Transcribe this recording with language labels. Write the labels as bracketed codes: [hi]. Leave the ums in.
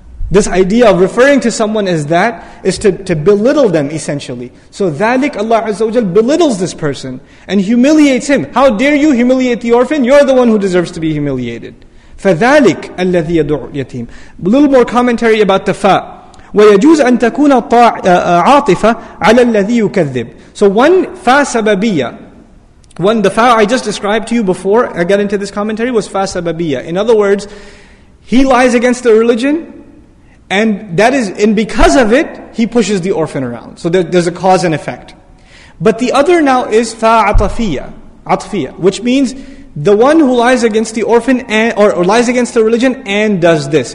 [en] this idea of referring to someone as that is to, to belittle them essentially. So dhalik Allah Azza wa belittles this person and humiliates him. How dare you humiliate the orphan? You're the one who deserves to be humiliated. [ar] فَذَلِكَ الَّذِي يَدُعُ الْيَتِيمِ [en] A little more commentary about the fa. [ar] ويجوز أن تكون عاطفة على الذي يكذب. [en] So one fa sababiyya, one, the fa I just described to you before I got into this commentary was fa sababiyya. In other words, he lies against the religion, and that is, and because of it, he pushes the orphan around. So there, there's a cause and effect. But the other now is fa atafiyya, atfiyya, which means the one who lies against the orphan and, or, or lies against the religion and does this.